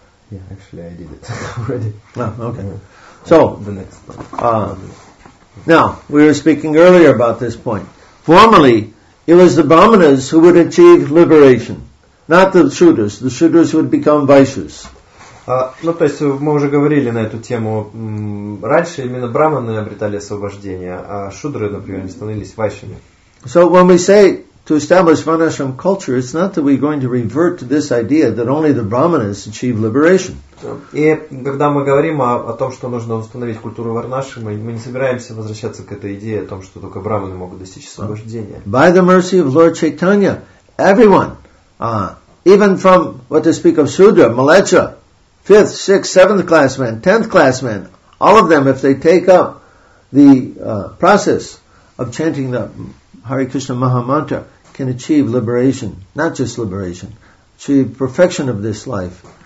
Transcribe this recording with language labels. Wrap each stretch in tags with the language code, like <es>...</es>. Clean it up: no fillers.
<en>Yeah, actually, I did it already. Oh, okay. So, the next part. Now, we were speaking earlier about this point. Formerly, it was the brahmanas who would achieve liberation, not the shudras. The shudras would become vaishyas.</en> <ru>Ну, то есть, мы уже говорили на эту тему. Раньше именно брахманы обретали освобождение, а шудры, например, не становились вайшами.</ru> <en>So, when we say to establish Varnashram culture, it's not that we're going to revert to this idea that only the brahmanas achieve liberation.</en> <ru>И когда мы говорим о том, что нужно установить культуру Варнашрама, мы не собираемся возвращаться к этой идее о том, что только брахманы могут достичь освобождения.</ru> <en>By the mercy of Lord Chaitanya, everyone, even from what they speak of Sudra, Malecha, 5th, 6th, 7th class men, 10th class men, all of them, if they take up the process of chanting the Hare Krishna Maha Mantra, can achieve liberation, not just liberation, achieve perfection of this life.</en>